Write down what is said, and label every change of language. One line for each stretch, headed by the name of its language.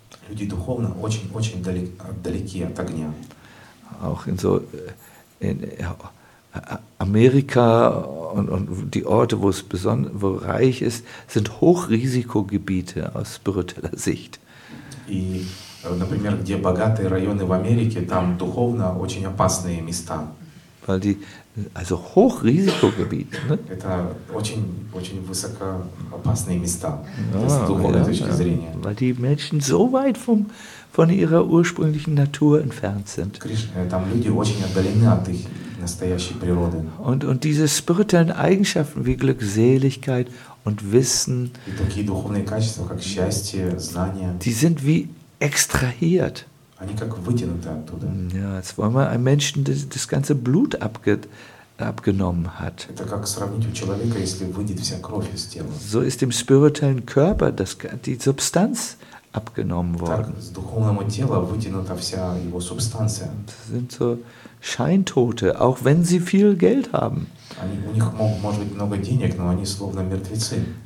Russian: Люди духовно очень, очень далеки от огня.
German: Auch in so in Amerika und die Orte, wo es besonders wo reich ist, sind Hochrisikogebiete aus spiritueller Sicht.
Russian: И, например, где богатые районы в Америке, там духовно очень опасные места.
German: Weil die also Hochrisikogebiet, ne?
Russian: Это очень, очень высоко опасные места, с духовной точки зрения.
German: Weil die Menschen so weit vom, von ihrer ursprünglichen Natur entfernt sind.
Russian: Там люди очень отдалены от их настоящей природы.
German: Und diese spirituellen Eigenschaften wie Glückseligkeit und Wissen,
Russian: и такие духовные качества, как счастье, знания,
German: die sind wie extrahiert.
Russian: Они как вытянуты оттуда.
German: Ja, als wenn man einem Menschen das ganze Blut abgenommen hat.
Russian: Это как сравнить у человека, если выйдет вся кровь из тела.
German: So ist dem spirituellen Körper das, die Substanz abgenommen worden.
Russian: Так, с духовному телу вытянута вся его субстанция.
German: Das sind so Scheintote, auch wenn sie viel Geld haben.
Russian: Они, у них может быть много денег, но они словно мертвецы.